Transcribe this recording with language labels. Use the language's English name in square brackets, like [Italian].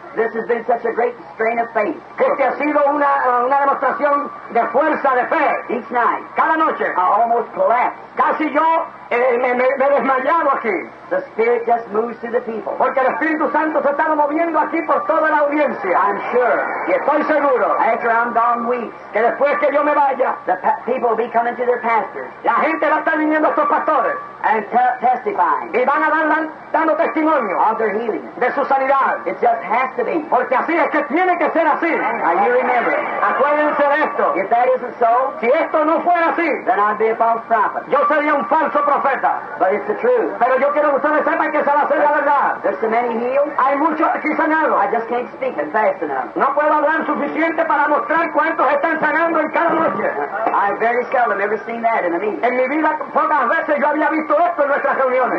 [English] This has been such a great strain of faith. [Spanish] Este ha sido una demostración de fuerza, de fe. [English] Each night. [Spanish] Cada noche. [English] I almost collapsed. [Spanish] Casi yo me desmayado aquí. [English] The Spirit just moves to the people. [Spanish] Porque el Espíritu Santo se está moviendo aquí por toda la audiencia. [English] I'm sure. [Spanish] Y estoy seguro. [English] After I'm gone weeks. [Spanish] Que después que yo me vaya. [English] The people will be coming to their pastors. [Spanish] La gente va a estar viniendo a estos pastores. [English] And testifying. [Spanish] Y van a dando testimonio. [English] Of their healing. [Spanish] De su sanidad. [English] It just has to be. [Spanish] Porque así es que tiene que ser así. [English] Now you remember. [Spanish] Acuérdense de esto. [English] If that isn't so. [Spanish] Si esto no fuera así. [English] Then I'd be a false prophet. [Spanish] Yo sería un falso profeta. [English] But it's the truth. [Spanish] Pero yo quiero que ustedes sepan que se va a hacer la verdad. [English] There's so many healed. [Spanish] Hay muchos aquí sanados. [English] I just can't speak it fast enough. [Spanish] No puedo hablar suficiente para mostrar cuántos están sanando en cada noche. [English] I very seldom ever seen that in a meeting. [Spanish] En mi vida pocas veces yo había visto esto en nuestras reuniones.